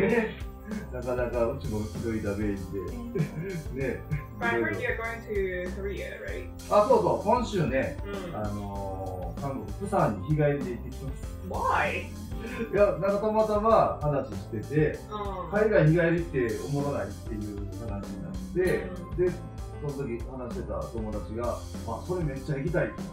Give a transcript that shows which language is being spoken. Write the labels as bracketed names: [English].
[Japanese] ね、なかなかうちもひどいダメージで。ね、 [English] But I heard you're going to Korea, right? [Japanese] あ、そうそう、今週ね、韓国、釜山に日帰りで行ってきます。 [English] Why? [Japanese] いや、なんかたまたま話してて、海外日帰りっておもろないっていう話になって、で、その時話してた友達が、あ、それめっちゃ行きたいっ